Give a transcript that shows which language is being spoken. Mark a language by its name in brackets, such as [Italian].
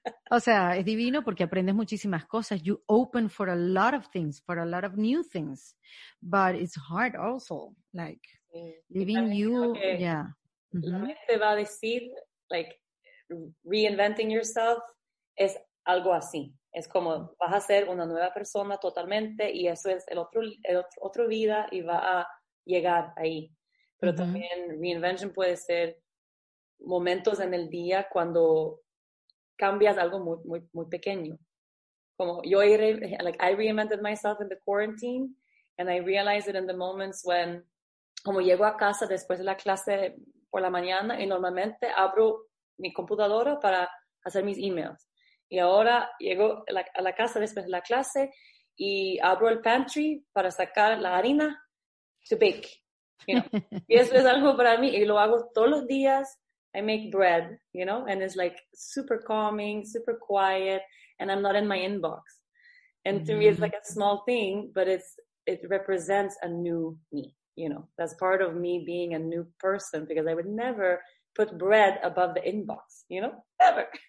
[Spanish] O sea, es divino porque aprendes muchísimas cosas. [English] You open for a lot of things, for a lot of new things. But it's hard also, like, living you, okay. Yeah. Mm-hmm. [Spanish] La mente va a decir, [English] like, [Spanish] reinventing yourself es algo así. Es como vas a ser una nueva persona totalmente y eso es el otro vida y va a llegar ahí. Pero también reinvention puede ser momentos en el día cuando cambias algo muy, muy, muy pequeño. Como yo, like, [English] I reinvented myself in the quarantine and I realized it in the moments when, [Spanish] como llego a casa después de la clase por la mañana y normalmente abro mi computadora para hacer mis emails. Y ahora llego a la casa después de la clase y abro el pantry para sacar la harina [English] to bake. You know, [Spanish] y eso es algo para mí y lo hago todos los días. [English] I make bread, you know, and it's like super calming, super quiet, and I'm not in my inbox. And to me, it's like a small thing, but it represents a new me, you know. That's part of me being a new person because I would never put bread above the inbox, you know, ever.